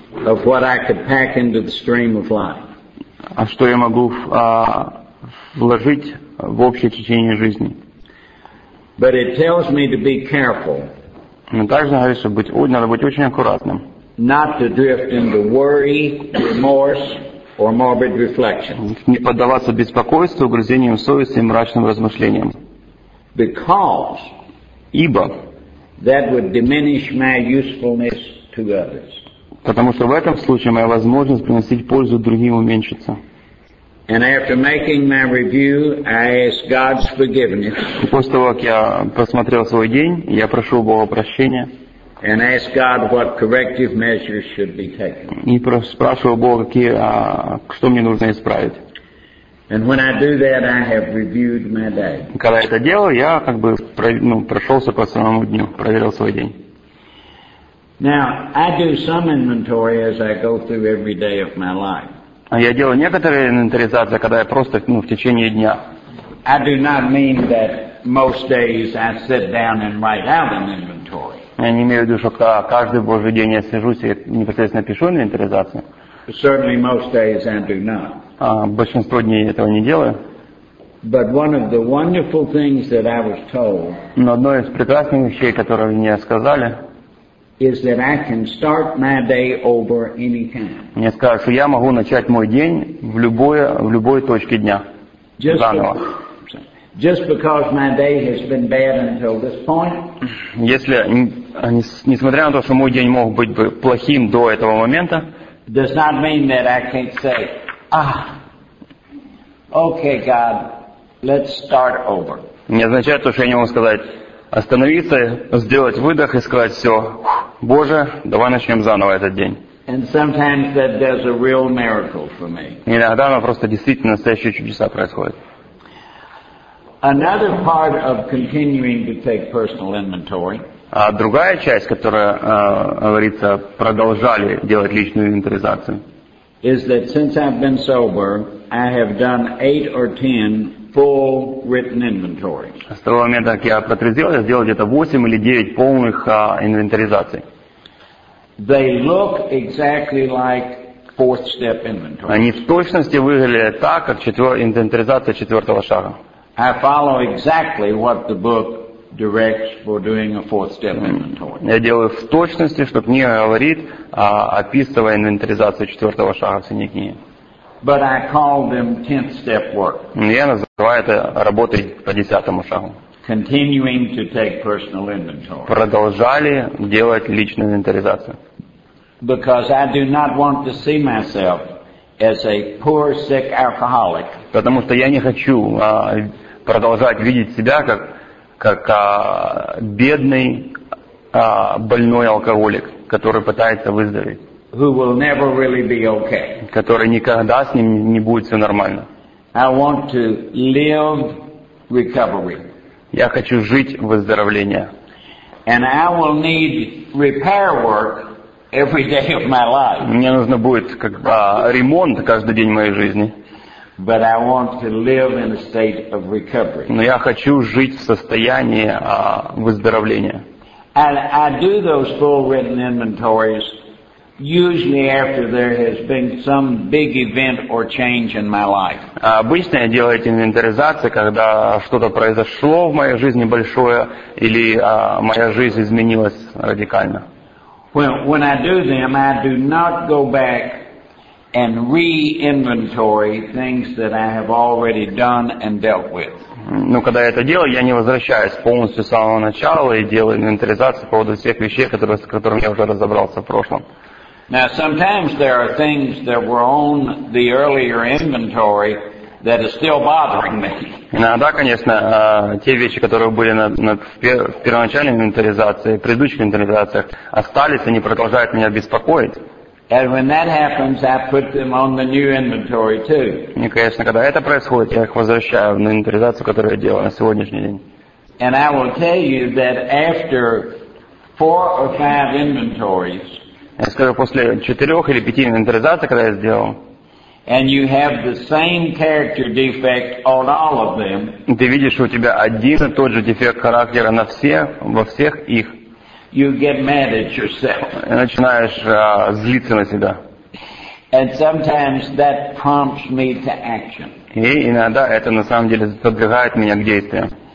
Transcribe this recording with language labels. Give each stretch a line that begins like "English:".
English: Of what I could pack into the stream of life.
Russian: А что я могу вложить в общее течение жизни?
English: But it tells me to be careful.
Russian: Но также говорит, что надо быть очень аккуратным.
English: Not to drift into worry, remorse, or morbid reflection.
Russian: Не поддаваться беспокойству, угрызениям совести и мрачным размышлениям.
English: Because.
Russian: Ибо.
English: That would diminish my usefulness to others.
Russian: Потому что в этом случае моя возможность приносить пользу другим уменьшится.
English: And after making my review, I ask God's forgiveness.
Russian: После того, как я посмотрел свой день, я прошу Бога прощения.
English: And ask God what corrective measures should be taken.
Russian: И спрашиваю Бога, что мне нужно исправить.
English: And when I do that, I have reviewed my day.
Russian: Когда я это делаю, я прошелся по самому дню, проверил свой день.
English: Now I do some inventory as I go through every day of my life.
Russian: Я делаю некоторые инвентаризации, когда я просто в течение дня.
English: I do not mean that most days I sit down and write out an inventory.
Russian: Я не имею в виду, что каждый Божий день я сижусь и непосредственно пишу инвентаризацию.
English: Certainly most days I do not.
Russian: Большинство дней этого не делаю.
English: But one of the wonderful things that I was told.
Russian: Но одно из прекрасных вещей, которые мне сказали.
English: Is that I can start my day over any time.
Russian: Мне сказали, что я могу начать мой день в любой точке дня.
English: Just
Russian: заново.
English: Just because my day has been bad until this point.
Russian: Если несмотря на то, что мой день мог быть бы плохим до этого момента,
English: does not mean that I can't say, okay, God, let's start over.
Russian: Не означает то, что я не могу сказать остановиться, сделать выдох и сказать все, Боже, давай начнем заново этот день.
English: And sometimes that does a real miracle for me.
Russian: Иногда оно просто действительно настоящие чудеса происходят.
English: Another part of continuing to take personal inventory.
Russian: А другая часть, которая говорится, продолжали делать личную инвентаризацию.
English: Is that since I've been sober, I have done 8 or 10 full written inventories.
Russian: С того момента, как я протрезвел, я сделал где-то 8 или 9 полных инвентаризаций.
English: They look exactly like fourth step inventory.
Russian: Они в точности выглядят так, как инвентаризация четвертого шага.
English: I follow exactly what the book directs for doing a fourth step inventory.
Russian: Я делаю в точности, что книга говорит, описывая инвентаризацию четвертого шага в синей книге.
English: But I call them tenth step work.
Russian: Я называю это работой по десятому шагу.
English: Continuing to take personal inventory.
Russian: Продолжали делать личную инвентаризацию.
English: Because I do not want to see myself as a poor, sick alcoholic.
Russian: Потому что я не хочу продолжать видеть себя как бедный больной алкоголик, который пытается выздороветь.
English: Who will never really be okay.
Russian: Который никогда с ним не будет все нормально.
English: I want to live recovery.
Russian: Я хочу жить выздоровление.
English: And I will need repair work every day of my life.
Russian: Мне нужно будет ремонт каждый день моей жизни.
English: But I want to live in a state of recovery.
Russian: Но я хочу жить в состоянии выздоровления.
English: And I do those full written inventories usually after there has been some big event or change in my life.
Russian: Обычно я делаю эти инвентаризации, когда что-то произошло в моей жизни большое или моя жизнь изменилась радикально.
English: When I do them, I do not go back and re-inventory things that I have already done and dealt with.
Russian: Ну, когда я это делаю, я не возвращаюсь полностью с самого начала и делаю инвентаризацию по поводу всех вещей, с которыми я уже разобрался в прошлом.
English: Now, sometimes there are things that were on the earlier inventory that is still bothering me.
Russian: Иногда, конечно, те вещи, которые были в первоначальной инвентаризации, в предыдущих инвентаризациях, остались, они продолжают меня беспокоить.
English: And when that happens, I put them on the new inventory too.
Russian: И, конечно, когда это происходит, я их возвращаю в инвентаризацию, которую я делаю на сегодняшний день.
English: And I will tell you that after four or five inventories,
Russian: я скажу, после четырех или пяти инвентаризаций, когда я сделал,
English: and you have the same character defect on all of them,
Russian: ты видишь, у тебя один и тот же дефект характера на всех, во всех их.
English: You get mad at yourself.
Russian: Начинаешь злиться на себя.
English: And sometimes that prompts me to action.
Russian: И иногда это на самом деле подвигает меня к действию.